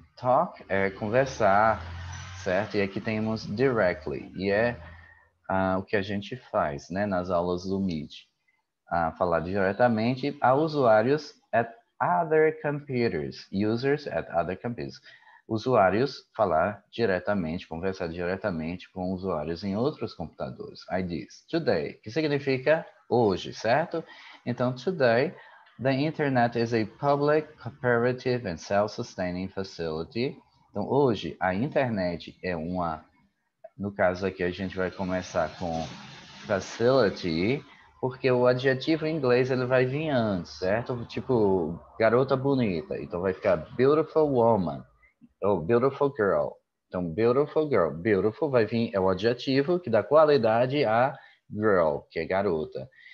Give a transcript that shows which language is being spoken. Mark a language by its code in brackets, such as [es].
[pt] Talk é conversar, certo? E aqui temos directly, e é o que a gente faz, né, nas aulas do Meet. Falar diretamente a usuários [en] at other computers. Users at other computers. [pt] Usuários falar diretamente, conversar diretamente com usuários em outros computadores. I diz today, que significa hoje, certo? [en] Então, today, the internet is a public, cooperative and self-sustaining facility. [pt] Então, hoje, a internet é uma... No caso aqui, a gente vai começar com facility, porque o adjetivo em inglês ele vai vir antes, certo? Tipo, garota bonita. Então, vai ficar [en] beautiful woman [pt] ou [en] beautiful girl. [pt] Então, [en] beautiful girl. [pt] Beautiful vai vir, é o adjetivo que dá qualidade à girl, que é garota.